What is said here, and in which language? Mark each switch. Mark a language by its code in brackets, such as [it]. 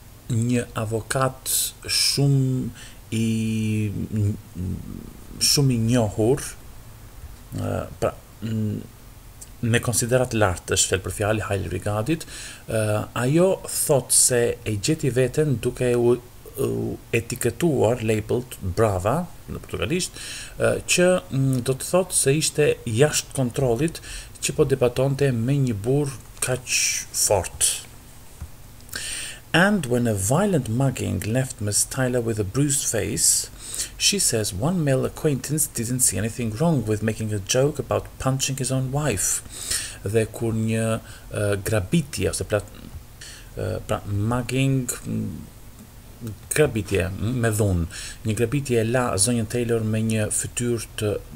[sq] një avokat shumë i njohur, pra me konsiderat lartë është fjalë për fjalë, highly regarded, ajo thot se e gjeti veten duke u etiketuar, labeled brava në portugalisht, që do të thot se ishte jashtë kontrollit që po debatonte me një burr kaq fort. [en] And when a violent mugging left Miss Tyler with a bruised face, she says one male acquaintance didn't see anything wrong with making a joke about punching his own wife. [sq] Dhe kur një grabitje, ose pra mugging, grabitje me dhunë, një grabitje e la zonjën Taylor me një fytyrë të